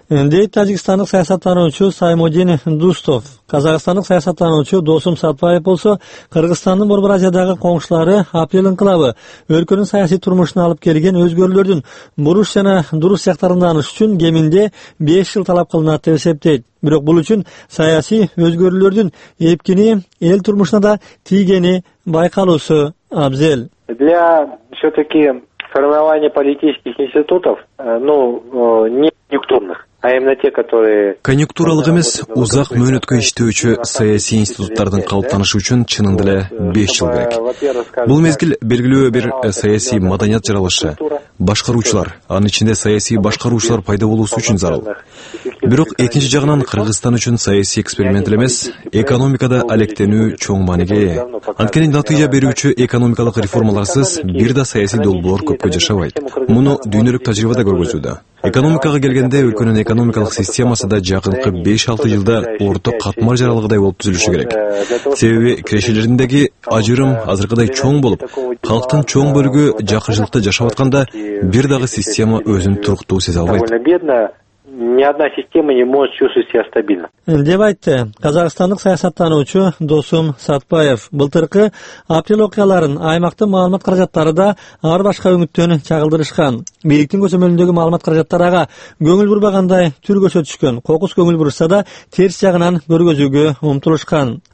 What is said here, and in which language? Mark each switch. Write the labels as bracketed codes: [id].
[ky] Дейт Таджикстандык саясаттануучу Саймудин Дустов, Казакстандык саясаттануучу Досум Сатпаев болсо, Кыргызстандын Борбор Азиядагы коңшулары апрель инкылабы өлкөнүн саясий турмушуна алып келген өзгөрүүлөрдүн буруш жана дурус жактарын тааныш үчүн кеминде 5 жыл талап кылынат деп эсептейт. Бирок бул үчүн саясий өзгөрүүлөрдүн эпкини эл турмушуна да тийгени байкалуусу абзел. [ru] Для все-таки формирования политических институтов, ну, не конъюнктурных. [ky] Конъюнктуралык эмес, узак мөөнөткө иштөөчү саясий институттардын калыптанышы үчүн чынында эле 5 жыл керек. Бул мезгил белгилүү бир саясий маданият жаралышы, башкаруучулар, анын ичинде саясий башкаруучулар пайда болуусу үчүн зарыл. Бирок экинчи жагынан Кыргызстан үчүн саясий эксперимент эмес, экономикада алектенүү чоң маанеге ээ. Анткени натыйжа берүүчү экономикалык реформаларсыз бир да саясий долбоор көпкө жашабайт. Муну дүйнөлүк тажрыйба да көргөзүүдө. Экономикага келгенде өлкөнүн экономикалык системасы да жакынкы 5-6 жылда орто катмар жаралыгыдай болуп түзүлүшү керек. Себеби кирешелериндеги ажырым азыркыдай чоң болуп, калктын чоң бөлүгү жакшылыкта жашап атканда бир дагы система өзүн туруктуу сезе албайт. [ru] Ни одна система не может чувствовать себя стабильно. [ky] Деп айтты казакстандык саясаттануучу Досум Сатпаев. Былтыркы апрель окуяларын аймактын маалымат каражаттары да ар башка үмүттөнү чагылдырышкан. Бийликтин көзөмөлүндөгү маалымат каражаттары ага көңүл бурбагандай түр көрсөтүшкөн. Кокус көңүл бурса да терс жагынан көргөзүүгө умтулушкан.